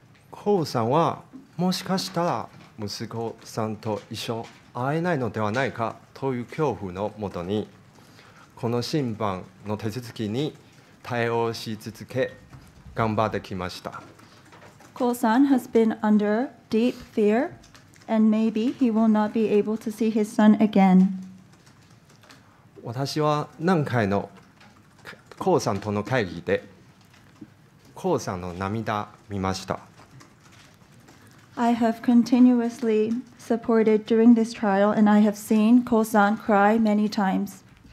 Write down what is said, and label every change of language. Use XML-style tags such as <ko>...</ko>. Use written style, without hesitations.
<ja>Ko-san はもしかしたら息子さんと一緒会えないのではないかという恐怖のもとに、この審判の手続きに対応し続け、頑張ってきました。</ja> <en>Ko-san has been under deep fear. And maybe he will not be able to see his son again.</en> <ja>私は何回のコウさんとの会議でコウさんの涙を見ました。</ja> <en>I have continuously supported during this trial and I have seen Ko-san cry many times.</en>